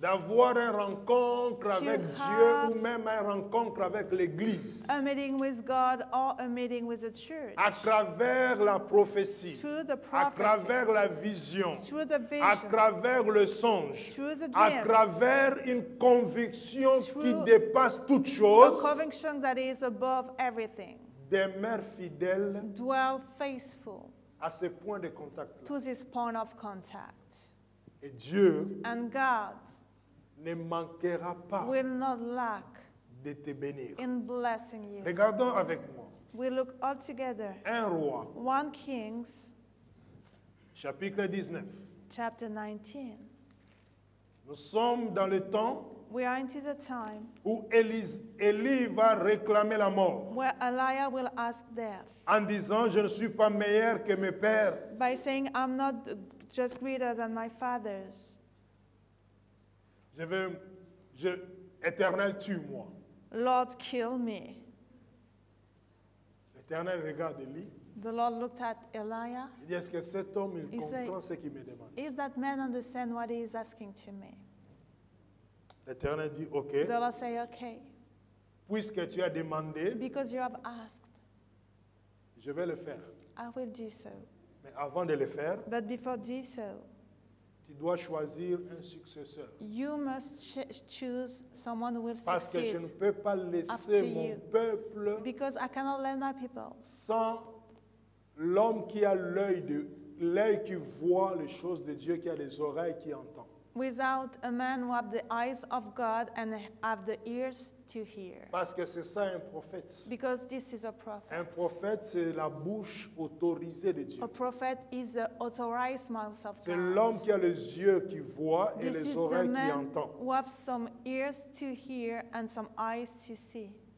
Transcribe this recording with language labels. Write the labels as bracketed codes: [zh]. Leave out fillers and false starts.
[fr] d'avoir une rencontre avec Dieu ou même une rencontre avec l'Église, [en] a meeting with God or a meeting with the church, [fr] à travers la prophétie, [en] through the prophecy, [fr] à travers la vision, [en] through the vision, [fr] à travers le songe, [en] through the dreams, [fr] à travers une conviction qui dépasse toute chose, [en] a conviction that is above everything, [fr] demeure fidèle, [en] dwell faithful, [fr] à ce point de contact, [en] to this point of contact. [fr] Et Dieu [en] and God [fr] ne manquera pas [en] will not lack [fr] de te bénir. [en] In blessing you. [fr] Regardons avec moi. [en] We look all together. [fr] Un roi. [en] One Kings. [fr] Chapitre 19. [en] Chapter 19. [fr] Nous sommes dans le temps. [en] We are into the time. [fr] Où Élie va réclamer la mort. [en] Where Elijah will ask death. [fr] En disant, je ne suis pas meilleur que mes pères. [en] By saying, I'm not just greater than my father's. [fr] Je veux, Éternel, tue-moi. [en] Lord, kill me. [fr] L'Éternel regarde Élie. [en] The Lord looked at Elijah. [fr] Il dit, est-ce que cet homme, il comprend ce qu'il me demande? [en] Is that man understand what he is asking to me? [fr] L'Éternel dit, OK. [en] The Lord say, OK. [fr] Puisque tu as demandé. [en] Because you have asked. [fr] Je vais le faire. [en] I will do so. [fr] Mais avant de le faire, [en] but before doing so, [fr] tu dois choisir un successeur. [en] You must choose someone who will succeed. [fr] Parce que je ne peux pas laisser mon peuple. [en] Because I cannot let my people. [fr] Sans l'homme qui a l'œil qui voit les choses de Dieu, qui a les oreilles qui entend. [en] Without a man who have the eyes of God and have the ears to hear. [fr] Parce que c'est ça un prophète. [en] Because this is a prophet. [fr] Un prophète, c'est la bouche autorisée de Dieu. [en] A prophet is the authorized mouth of God. [fr] C'est l'homme qui a les yeux qui voit et les oreilles qui entend. [en] This is the man who have some ears to hear and some eyes to see.